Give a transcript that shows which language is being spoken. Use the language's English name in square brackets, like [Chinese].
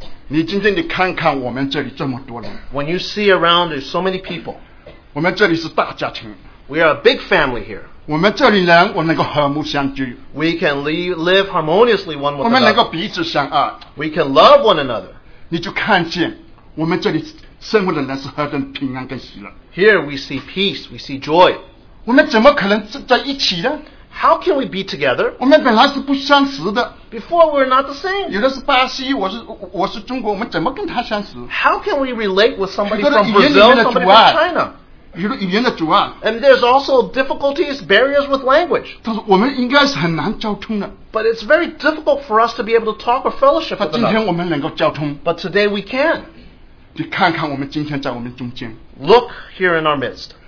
[Chinese] 你今天你看看我们这里这么多人, [English] when you see around there's so many people, [Chinese] 我们这里是大家庭, [English] we are a big family here. [Chinese] 我们这里人我们能够和睦相聚, [English] we can live harmoniously one with [Chinese] 我们能够彼此相爱, [English] another. We can love one another. [Chinese] 你就看见我们这里生活的人是何等平安跟喜乐。 [English] Here we see peace, we see joy. [Chinese] 我们怎么可能在一起呢? [English] How can we be together? [Chinese] 我们本来是不相识的。 [English] Before we were not the same. [Chinese] 有的是巴西, 我是中国, 我们怎么跟他相识? [English] How can we relate with somebody from Brazil, somebody from China? And there's also difficulties, barriers with language. But it's very difficult for us to be able to talk or fellowship with them. But today we can. Look here in our midst.